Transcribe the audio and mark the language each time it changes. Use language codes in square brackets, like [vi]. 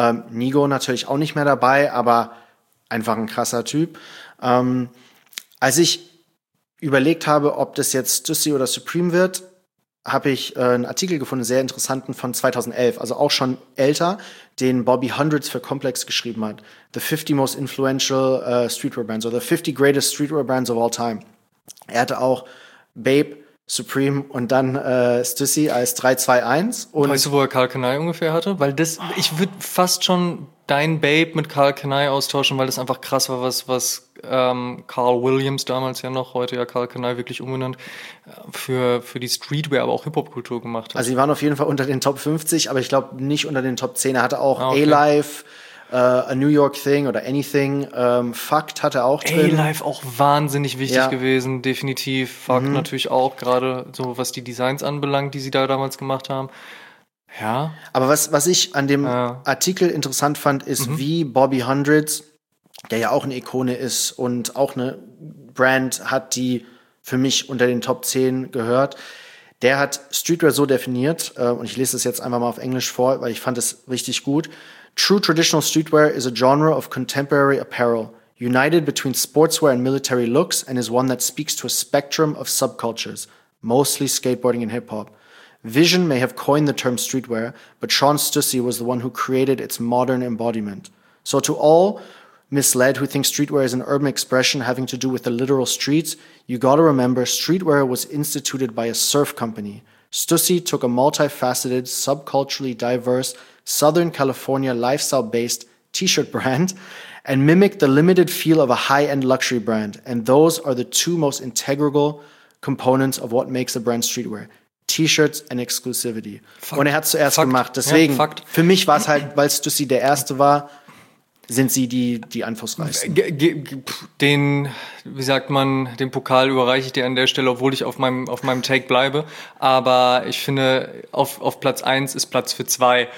[de] Nigo natürlich auch nicht mehr dabei, aber einfach ein krasser Typ. Als ich überlegt habe, ob das jetzt Stussy oder Supreme wird, habe ich einen Artikel gefunden, sehr interessanten, von 2011, also auch schon älter, den Bobby Hundreds für Complex geschrieben hat. [en] The 50 most influential streetwear brands or the 50 greatest streetwear brands of all time. [de] Er hatte auch Babe, Supreme und dann Stussy als 3-2-1. Weißt du, wo er Karl Kanai ungefähr hatte? Weil das, ich würde fast schon dein Babe mit Karl Kanai austauschen, weil das einfach krass war, was Carl Williams damals ja noch, heute ja Karl Kanai wirklich umbenannt, für die Streetwear, aber auch Hip-Hop-Kultur gemacht hat. Also sie waren auf jeden Fall unter den Top 50, aber ich glaube nicht unter den Top 10. Er hatte auch A-Life, A New York Thing oder Anything. Fucked hat er auch drin. A-Life auch wahnsinnig wichtig gewesen, definitiv. Fucked natürlich auch, gerade so was die Designs anbelangt, die sie da damals gemacht haben. Ja. Aber was ich an dem Artikel interessant fand, ist, wie Bobby Hundreds, der ja auch eine Ikone ist und auch eine Brand hat, die für mich unter den Top 10 gehört, der hat Streetwear so definiert, und ich lese das jetzt einfach mal auf Englisch vor, weil ich fand es richtig gut. [en] True traditional streetwear is a genre of contemporary apparel, united between sportswear and military looks, and is one that speaks to a spectrum of subcultures, mostly skateboarding and hip-hop. Vision may have coined the term streetwear, but Sean Stussy was the one who created its modern embodiment. So to all misled who think streetwear is an urban expression having to do with the literal streets, you gotta remember streetwear was instituted by a surf company. Stussy took a multifaceted, subculturally diverse Southern California lifestyle-based t-shirt brand and mimicked the limited feel of a high-end luxury brand. And those are the two most integral components of what makes a brand streetwear. T-shirts and exclusivity. [de] Fuck. Und er hat es zuerst gemacht. Deswegen, für mich war es halt, weil Stussy der Erste war, sind sie die Anfangsreichsten? Den Pokal überreiche ich dir an der Stelle, obwohl ich auf meinem Take bleibe. Aber ich finde, auf Platz 1 ist Platz für 2.